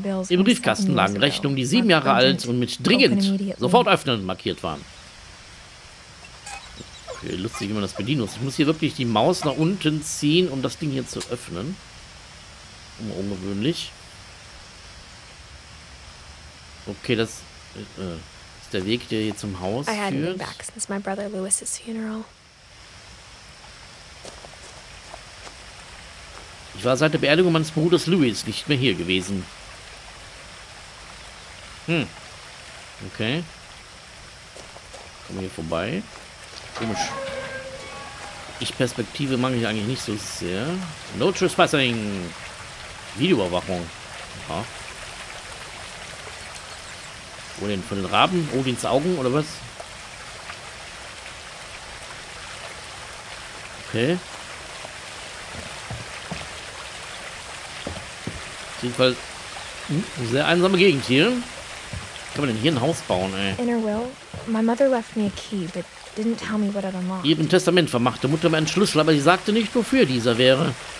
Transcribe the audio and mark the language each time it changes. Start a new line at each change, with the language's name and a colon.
German: Im Briefkasten lagen Rechnungen, die 7 Jahre alt und mit dringend sofort öffnen markiert waren. Okay, lustig, wie man das bedienen muss. Ich muss hier wirklich die Maus nach unten ziehen, um das Ding hier zu öffnen. Ungewöhnlich. Okay, das ist der Weg, der hier zum Haus führt.
English: I hadn't been back since my brother Louis's funeral.
German: Ich war seit der Beerdigung meines Bruders Louis nicht mehr hier gewesen. Okay. Kommen wir hier vorbei. Komisch. Ich Perspektive mag ich eigentlich nicht so sehr.
English: No trespassing.
German: Videoüberwachung. Aha. Wo denn? Von den Raben? Odins Augen oder was? Okay. Auf jeden Fall eine sehr einsame Gegend hier. Kann man denn hier ein Haus bauen, ey?
English: In her will, my mother left me a key, but didn't tell me what it unlocked.
German: Ihr Testament vermachte Mutter mir einen Schlüssel, aber sie sagte nicht, wofür dieser wäre.